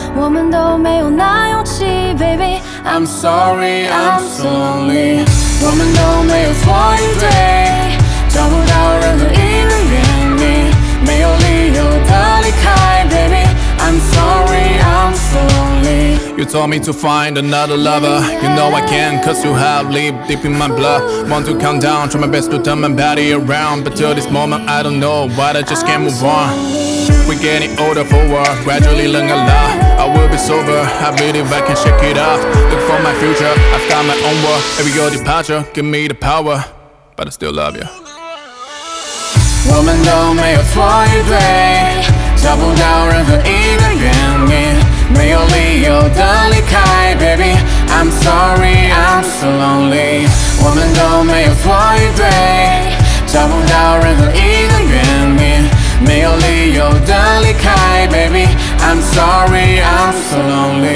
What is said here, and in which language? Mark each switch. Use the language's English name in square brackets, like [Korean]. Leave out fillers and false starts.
[Chinese] 我们都没有那勇气 baby. [English] I'm sorry, I'm so lonely. [Chinese] 我们都没有错与对，找不到任何一个原因，没有理由地离开 baby. [English] I'm sorry, I'm so lonely. You told me to find another lover, you know I can't, cause you have lived deep in my blood. Want to calm down, try my best to turn my body around, but till this moment I don't know why I just can't move on. We're getting older for work, gradually learn a lot. I will be sober, I believe I can shake it off. Look for my future, I've got my own world. Every your departure, give me the power, but I still love you. [Chinese] 我们都没有错与对，找不到任何一个原因，没有理由地离开 baby. [English] I'm sorry, I'm so lonely. [Chinese] 我们都没有错与对，找不到任何一个原因，没有理由地离开 baby. [English] I'm sorry, I'm so lonely.